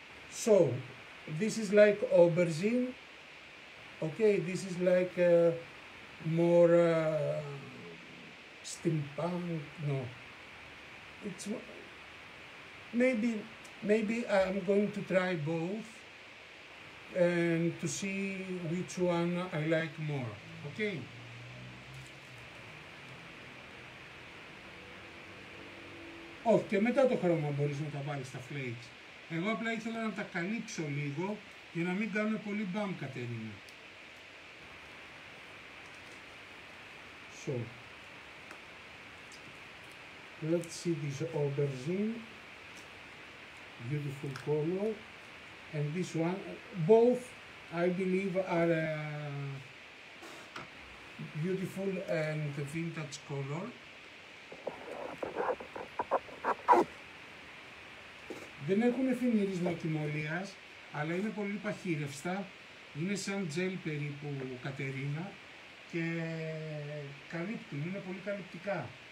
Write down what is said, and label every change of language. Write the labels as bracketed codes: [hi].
[en] So, this is like aubergine. Okay, this is like more... steampunk, no, it's maybe I'm going to try both and to see which one I like more. [el] Okay, όχι, και μετά το χρώμα μπορείς να τα βάλεις στα flakes. Εγώ απλά ήθελα να τα καλύψω λίγο για να μην κάνω πολύ μπαμ, Κατερίνα. [en] So. Let's see this aubergine, beautiful color. and this one, both I believe are beautiful and vintage color. [el] Δεν έχουν φινίρισμα τιμωλίας, αλλά είναι πολύ παχύρευστα. Είναι σαν τζέλ περίπου, Κατερίνα, και καλύπτουν, είναι πολύ καλυπτικά.